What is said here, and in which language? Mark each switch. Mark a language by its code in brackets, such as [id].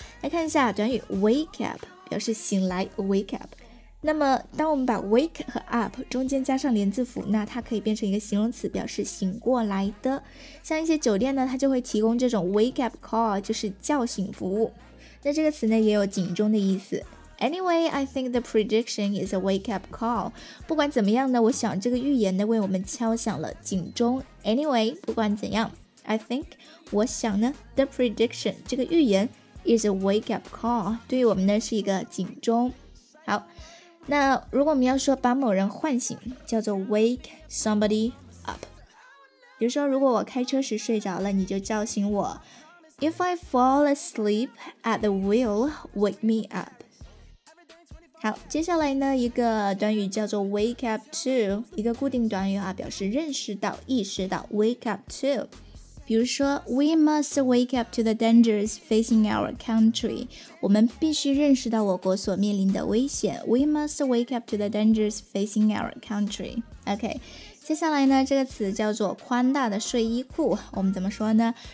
[zh] 来看一下短语 wake up， 表示醒来 wake up。那么当我们把 wake 和 up 中间加上连字符，那它可以变成一个形容词，表示醒过来的。像一些酒店呢，它就会提供这种 wake up call， 就是叫醒服务。那这个词呢也有警钟的意思。 [en] Anyway, I think the prediction is a wake up call. [zh] 不管怎么样呢，我想这个预言呢为我们敲响了警钟。 [en] Anyway, [zh] 不管怎样， [en] I think, [zh] 我想呢， [en] the prediction, [zh] 这个预言 [en] is a wake up call, [zh] 对于我们呢是一个警钟。好，那如果我们要说把某人唤醒，叫做 wake somebody up。比如说如果我开车时睡着了，你就叫醒我。 [en] If I fall asleep at the wheel, wake me up. [zh] 好，接下来呢，一个短语叫做 wake up to, 一个固定短语啊，表示认识到、意识到 wake up to. 比如说 [en] we must wake up to the dangers facing our country. [zh] 我们必须认识到我国所面临的危险。 [en] We must wake up to the dangers facing our country. OK. [zh] 接下来呢，这个词叫做宽大的睡衣裤，我们怎么说呢？